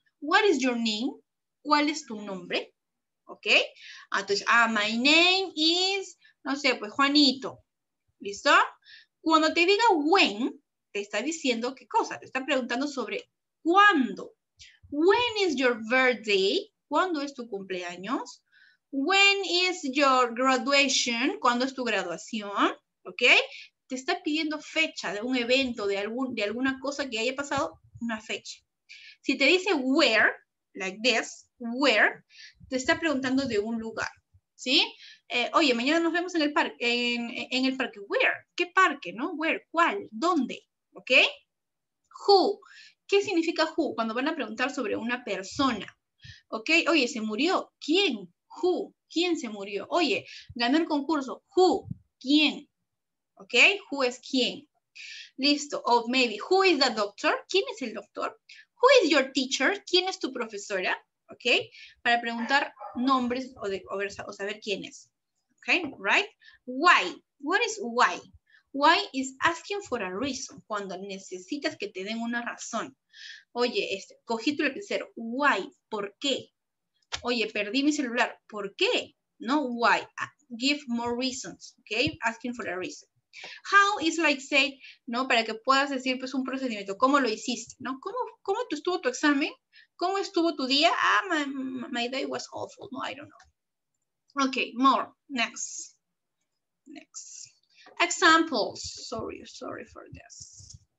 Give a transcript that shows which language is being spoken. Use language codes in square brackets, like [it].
[en] What is your name? [es] ¿Cuál es tu nombre? [en] ¿Ok? [es] Entonces, [en] my name is, [es] no sé, pues Juanito. ¿Listo? Cuando te diga when, te está diciendo qué cosa. Te está preguntando sobre ¿cuándo? [en] When is your birthday? [es] ¿Cuándo es tu cumpleaños? [en] When is your graduation? [es] ¿Cuándo es tu graduación? ¿Ok? Te está pidiendo fecha de un evento, de alguna cosa que haya pasado, una fecha. Si te dice where, like this, where, te está preguntando de un lugar, ¿sí? Oye, mañana nos vemos en el parque, en el parque. Where, ¿qué parque, no? Where, ¿cuál? ¿Dónde? ¿Ok? Who. ¿Qué significa who? Cuando van a preguntar sobre una persona. ¿Ok? Oye, ¿se murió? ¿Quién? ¿Who? ¿Quién se murió? Oye, ganó el concurso. ¿Who? ¿Quién? ¿Ok? ¿Who es quién? Listo. [en] O maybe, ¿who is the doctor? [es] ¿Quién es el doctor? [en] ¿Who is your teacher? [es] ¿Quién es tu profesora? ¿Ok? Para preguntar nombres o saber quién es. [en] ¿Ok? ¿Right? Why? What is why? Why is asking for a reason, [es] cuando necesitas que te den una razón. Oye, cogí tu lapicero, why, ¿por qué? Oye, perdí mi celular, ¿por qué? [en] No, why, give more reasons, ok, asking for a reason. How is like say, ¿no? [es] Para que puedas decir pues un procedimiento, ¿cómo lo hiciste? ¿No? ¿Cómo te estuvo tu examen? ¿Cómo estuvo tu día? [en] Ah, my day was awful, no, I don't know. Ok, more, next. Examples, sorry for this.